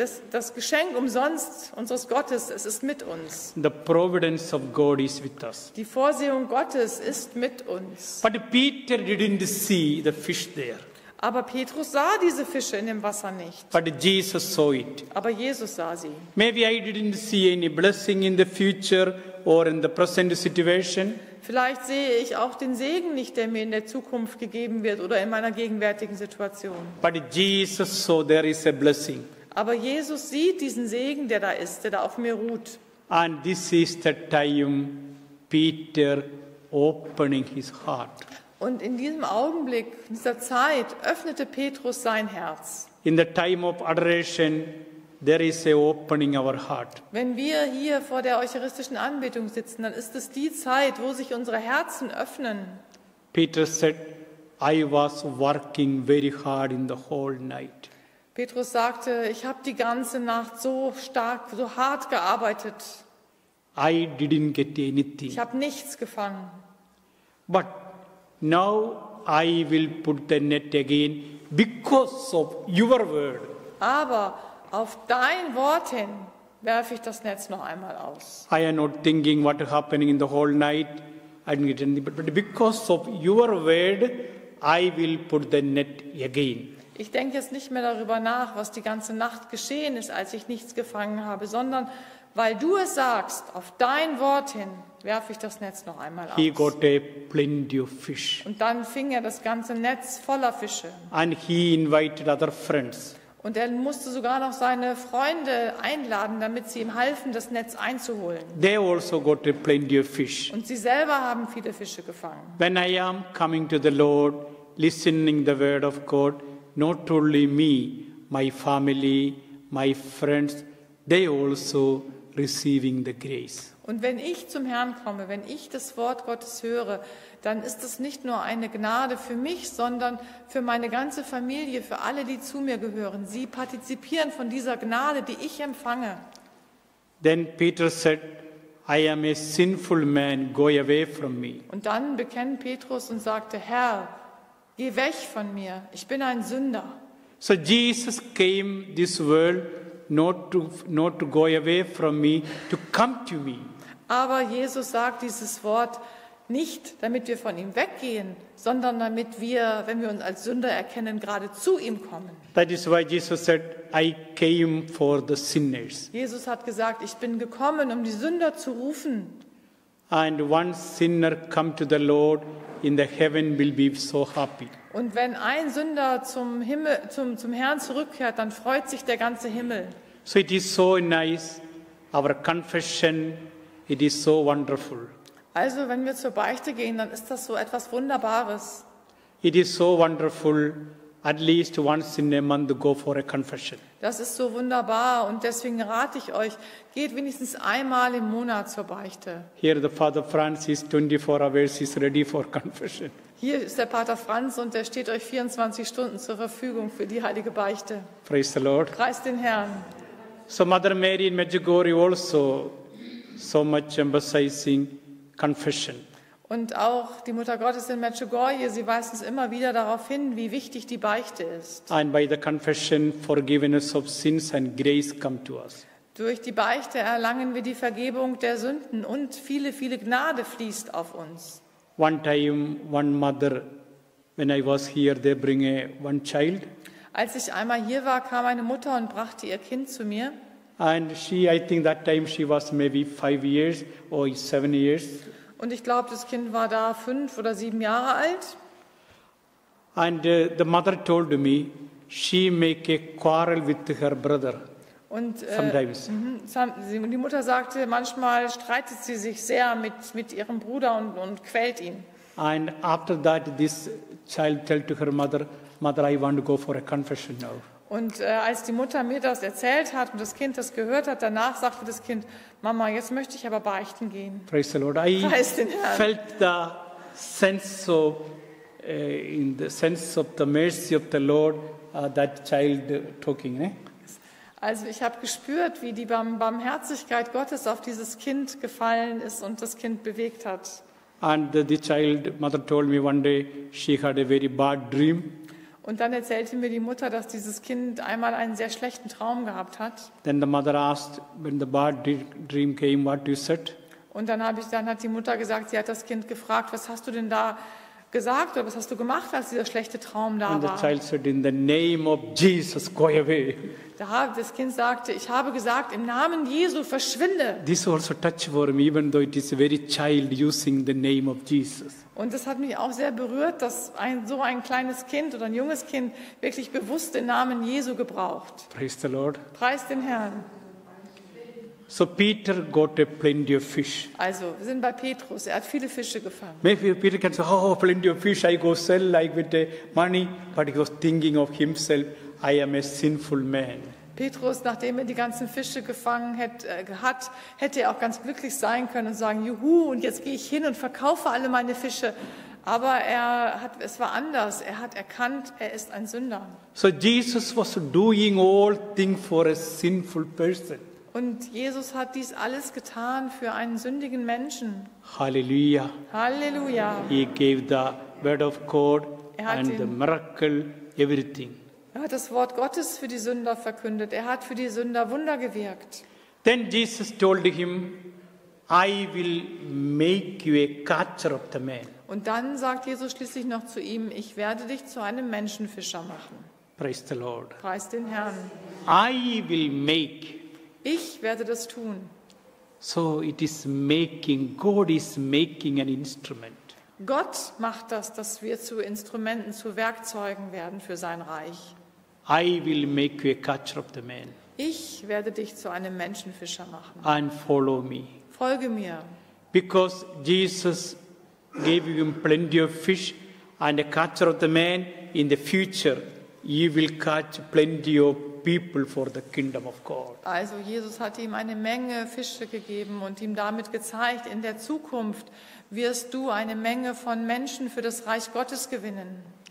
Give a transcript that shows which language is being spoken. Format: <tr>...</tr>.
<de>Das Geschenk umsonst unseres Gottes, es ist mit uns.</de> <en>The providence of God is with us.</en> <de>Die Vorsehung Gottes ist mit uns.</de> <en>But Peter didn't see the fish there.</en> <de>Aber Petrus sah diese Fische in dem Wasser nicht.</de> <en>But Jesus saw it.</en> <de>Aber Jesus sah sie.</de> <en>Maybe I didn't see any blessing in the future or in the present situation.</en> <de>Vielleicht sehe ich auch den Segen nicht, der mir in der Zukunft gegeben wird oder in meiner gegenwärtigen Situation.</de> <en>But Jesus saw there is a blessing.</en> <de>Aber Jesus sieht diesen Segen, der da ist, der da auf mir ruht.</de> <en>And this is the time Peter opening his heart.</en> <de>Und in diesem Augenblick, in dieser Zeit, öffnete Petrus sein Herz.</de> <en>In the time of adoration, there is a opening of our heart.</en> <de>Wenn wir hier vor der eucharistischen Anbetung sitzen, dann ist es die Zeit, wo sich unsere Herzen öffnen.</de> <en>Peter said, I was working very hard in the whole night.</en> <de>Petrus sagte, ich habe die ganze Nacht so stark, so hart gearbeitet.</de> <en>I didn't get anything.</en> <de>Ich habe nichts gefangen.</de> <en>But now I will put the net again because of your word.</en> <de>Aber auf dein Wort hin werfe ich das Netz noch einmal aus.</de> <en>I am not thinking what happening in the whole night. I didn't get anything. But because of your word, I will put the net again.</en> <de>Ich denke jetzt nicht mehr darüber nach, was die ganze Nacht geschehen ist, als ich nichts gefangen habe, sondern weil du es sagst, auf dein Wort hin werfe ich das Netz noch einmal aus.</de> <en>He got a plenty of fish.</en> <de>Und dann fing er das ganze Netz voller Fische.</de> <en>And he invited other friends.</en> <de>Und er musste sogar noch seine Freunde einladen, damit sie ihm halfen, das Netz einzuholen.</de> <en>They also got a plenty of fish.</en> <de>Und sie selber haben viele Fische gefangen.</de> <en>When I am coming to the Lord, listening the word of God, not only me, my family, my friends, they also receiving the grace.</en> <de>Und wenn ich zum Herrn komme, wenn ich das Wort Gottes höre, dann ist es nicht nur eine Gnade für mich, sondern für meine ganze Familie, für alle, die zu mir gehören. Sie partizipieren von dieser Gnade, die ich empfange.</de> <en>Then Peter said, I am a sinful man, go away from me.</en> <de>Und dann bekennt Petrus und sagte, Herr, geh weg von mir, ich bin ein Sünder.</de> <en>So Jesus came this world not to go away from me, to come to me.</en> <de>Aber Jesus sagt dieses Wort nicht, damit wir von ihm weggehen, sondern damit wir, wenn wir uns als Sünder erkennen, gerade zu ihm kommen.</de> <en>That is why Jesus said, I came for the sinners.</en> <de>Jesus hat gesagt, ich bin gekommen, um die Sünder zu rufen.</de> <en>And one sinner come to the Lord, in the heaven will be so happy.</en> <de>Und wenn ein Sünder zum Himmel, zum Herrn zurückkehrt, dann freut sich der ganze Himmel.</de> <en>So it is so nice, our confession, it is so wonderful.</en> <de>Also wenn wir zur Beichte gehen, dann ist das so etwas Wunderbares.</de> <en>It is so wonderful, at least once in a month go for a confession.</en> <de>Das ist so wunderbar und deswegen rate ich euch, geht wenigstens einmal im Monat zur Beichte.</de> <en>Here the Father Francis, 24 hours is ready for confession.</en> <de>Hier ist der Pater Franz und er steht euch 24 Stunden zur Verfügung für die heilige Beichte.</de> <en>Praise the Lord.</en> <de>Preist den Herrn.</de> <en>So Mother Mary in Medjugorje also so much emphasizing confession.</en> <de>Und auch die Mutter Gottes in Medjugorje, sie weist uns immer wieder darauf hin, wie wichtig die Beichte ist.</de> <en>And by the confession, forgiveness of sins and grace come to us.</en> <de>Durch die Beichte erlangen wir die Vergebung der Sünden und viele, viele Gnade fließt auf uns.</de> <en>One time, one mother, when I was here, they bring a one child.</en> <de>Als ich einmal hier war, kam eine Mutter und brachte ihr Kind zu mir.</de> <en>And she, I think that time she was maybe 5 years or 7 years.</en> <de>Und ich glaube, das Kind war da 5 oder 7 Jahre alt.</de> <en>And the mother told me, she make a quarrel with her brother.</en> <de>Und die Mutter sagte, manchmal streitet sie sich sehr mit ihrem Bruder und quält ihn.</de> <en>And after that, this child tell to her mother, Mother, I want to go for a confession now.</en> <de>Und als die Mutter mir das erzählt hat und das Kind das gehört hat, danach sagte das Kind, Mama, jetzt möchte ich aber beichten gehen.</de> <en>Praise the Lord. I felt the sense of in the sense of the mercy of the Lord that child talking, ne?</en> <de>Also ich habe gespürt, wie die Barmherzigkeit Gottes auf dieses Kind gefallen ist und das Kind bewegt hat.</de> <en>And the child mother told me one day she had a very bad dream.</en> <de>Und dann erzählte mir die Mutter, dass dieses Kind einmal einen sehr schlechten Traum gehabt hat.</de> <en>Then the mother asked when the bad dream came, what you said?</en> <de>Und dann hat die Mutter gesagt, sie hat das Kind gefragt, was hast du denn da gesagt oder was hast du gemacht, als dieser schlechte Traum da war?</de> <en>And the child said, in the name of Jesus, go away.</en> <de>Das Kind sagte, ich habe gesagt, im Namen Jesu verschwinde.</de> <en>This also touched for me, even though it is a very child using the name of Jesus.</en> <de>Und das hat mich auch sehr berührt, dass so ein kleines Kind oder ein junges Kind wirklich bewusst den Namen Jesu gebraucht.</de> <en>Praise the Lord.</en> <de>Preist den Herrn.</de> <en>So Peter got a plenty of fish.</en> <de>Also, wir sind bei Petrus. Er hat viele Fische gefangen.</de> <en>Maybe Peter can say, "Oh, plenty of fish. I go sell like with the money." But he was thinking of himself. I am a sinful man.</en> <de>Petrus, nachdem er die ganzen Fische gefangen hat, hätte er auch ganz glücklich sein können und sagen, "Juhu! Und jetzt gehe ich hin und verkaufe alle meine Fische." Aber es war anders. Er hat erkannt, er ist ein Sünder.</de> <en>So Jesus was doing all things for a sinful person.</en> <de>Und Jesus hat dies alles getan für einen sündigen Menschen. Halleluja. Halleluja.</de> <en>He gave the word of God and the miracle everything.</en> <de>Er hat das Wort Gottes für die Sünder verkündet. Er hat für die Sünder Wunder gewirkt.</de> <en>Then Jesus told him, I will make you a catcher of the man.</en> <de>Und dann sagt Jesus schließlich noch zu ihm, ich werde dich zu einem Menschenfischer machen.</de> <en>Praise the Lord.</en> <de>Preis den Herrn.</de> <en>I will make.</en> <de>Ich werde das tun.</de> <en>So it is making, God is making an instrument.</en> <de>Gott macht das, dass wir zu Instrumenten, zu Werkzeugen werden für sein Reich.</de> <en>I will make you a catcher of the man.</en> <de>Ich werde dich zu einem Menschenfischer machen.</de> <en>And follow me.</en> <de>Folge mir.</de> <en>Because Jesus gave him plenty of fish and a catcher of the man, in the future you will catch plenty of people for the kingdom of God.</en> <de>Also Jesus hat ihm eine Menge Fische gegeben und ihm damit gezeigt, in der Zukunft wirst du eine Menge von Menschen für das Reich Gottes gewinnen.</de>